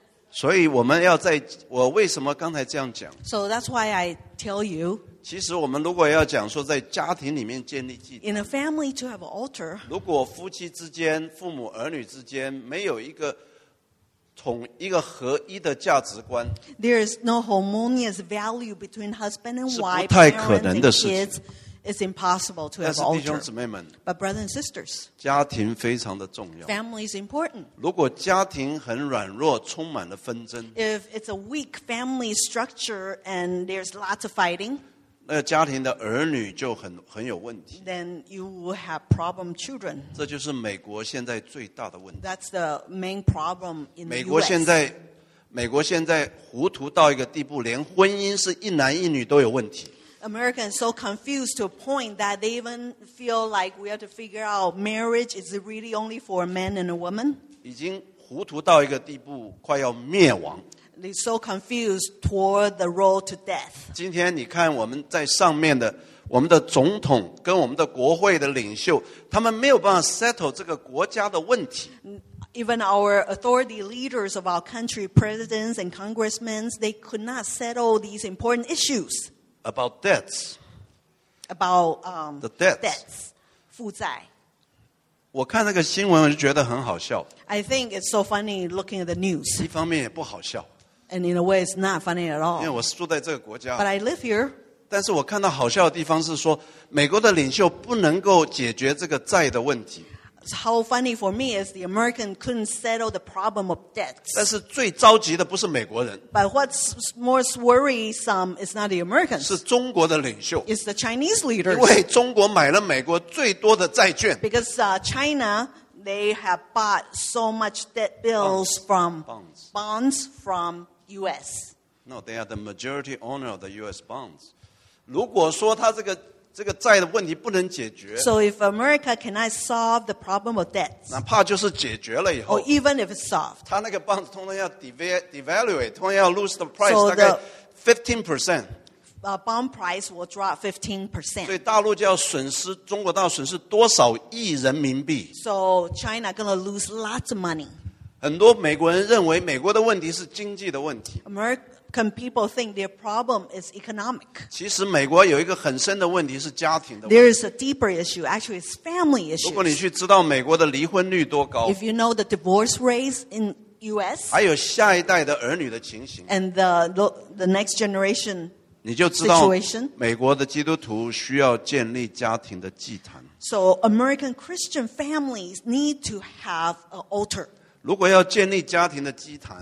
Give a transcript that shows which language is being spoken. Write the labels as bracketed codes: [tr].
[zh] 所以我们要在, 我为什么刚才这样讲? [en] So that's why I tell you. [zh] 其实我们如果要讲说在家庭里面建立祭坛, [en] in a family to have an altar. [zh] 如果夫妻之间, 父母儿女之间, 没有一个, 统一个合一的价值观, [en] there is no harmonious value between husband and wife. [zh] 是不太可能的事情, [en] parents and kids, it's impossible to have altar. [zh] 但是弟兄姊妹们, [en] but brothers and sisters, [zh] 家庭非常的重要, [en] family is important. [zh] 如果家庭很软弱, 充满了纷争, [en] if it's a weak family structure and there's lots of fighting, [zh] 那家庭的儿女就很有问题, [en] then you will have problem children. [zh] 这就是美国现在最大的问题。 [en] That's the main problem in the US. [zh] 美国现在糊涂到一个地步, 连婚姻是一男一女都有问题。 [en] Americans are so confused to a point that they even feel like we have to figure out marriage is really only for a man and a woman. [zh] 已经糊涂到一个地步, 快要灭亡。 [en] They're so confused toward the road to death. [zh] 今天你看我们在上面的, 我们的总统跟我们的国会的领袖, 他们没有办法settle这个国家的问题。 [en] Even our authority leaders of our country, presidents and congressmen, they could not settle these important issues. About debts. About the debts. Debts. 负债. [zh] 我看那个新闻我就觉得很好笑。 [en] I think it's so funny looking at the news. [zh] 一方面也不好笑。 [en] And in a way, it's not funny at all. [zh] 因为我住在这个国家。 [en] But I live here. [zh] 但是我看到好笑的地方是说, 美国的领袖不能够解决这个债的问题。 [en] How funny for me is the American couldn't settle the problem of debts. [zh] 但是最着急的不是美国人。 [en] But what's most worrisome is not the Americans. [zh] 是中国的领袖。 [en] It's the Chinese leaders. [zh] 因为中国买了美国最多的债券。 [en] Because China, they have bought so much debt bills from U.S. No, they are the majority owner of the U.S. bonds. [zh] 如果说他这个债的问题不能解决, [en] so if America cannot solve the problem of debts, [zh] 哪怕就是解决了以后, [en] or even if it's solved, [zh] 他那个bonds通常要devaluate, 通常要 [en] lose the price, [zh] so 大概15%。 [en] Bond price will drop 15%. [zh] 所以大陆就要损失, 中国大陆损失多少亿人民币? [en] So China gonna lose lots of money. [zh] 很多美国人认为美国的问题是经济的问题。 [en] American people think their problem is economic. [zh] 其实美国有一个很深的问题是家庭的问题。 [en] There is a deeper issue. Actually, it's family issues. [zh] 如果你去知道美国的离婚率多高, [en] if you know the divorce rate in U.S. [zh] 还有下一代的儿女的情形, [en] and the next generation situation, [zh] 美国的基督徒需要建立家庭的祭坛。 [en] So American Christian families need to have an altar. [zh] 如果要建立家庭的祭坛,